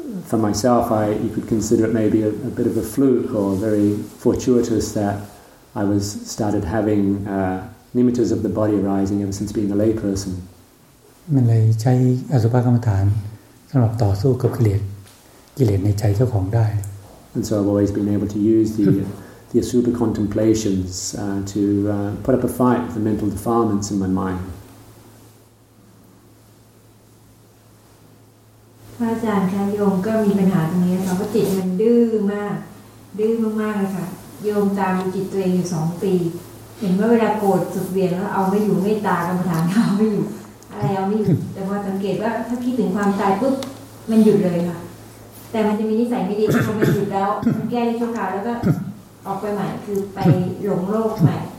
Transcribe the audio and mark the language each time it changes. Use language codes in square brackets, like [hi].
[en] For myself, you could consider it maybe a bit of a fluke or very fortuitous that I was started having. Nimittas of the body arising ever since being a lay person. [th] มันเลยใช้อสุภกรรมฐานสำหรับต่อสู้กับกิเลสในใจเจ้าของได้ [en] And so I've always been able to use the asupa contemplations put up a fight with the mental defilements in my mind. [th] พระอาจารย์คะโยมก็มีปัญหาตรงนี้ค่ะเพราะจิตมันดื้อมากเลยค่ะโยมตามจิตตัวเองอยู่2ปีเห็นว่าเวลาโกรธสุดเวียนแล้วเอาไม่อยู่ไม่ตากรรมฐานเอาไม่อยู่อะไรเอาไม่อยู่แต่พอสังเกตว่าถ้าคิดถึงความตายปุ๊บมันหยุดเลยค่ะแต่มันจะมีนิสัยไม่ดีพอมันหยุดแล้วมันแก้ได้ชั่วคราวแล้วก็ออกไปใหม่คือไปหลงโลกใหม่